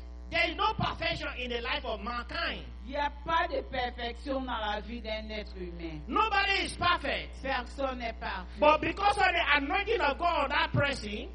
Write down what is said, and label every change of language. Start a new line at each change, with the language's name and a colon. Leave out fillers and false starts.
English: There is no perfection in the life of mankind.
French: Il n'y a pas de perfection dans la vie d'un être humain.
English: Nobody is perfect.
French: Personne n'est parfait.
English: But because of the anointing of God on that person,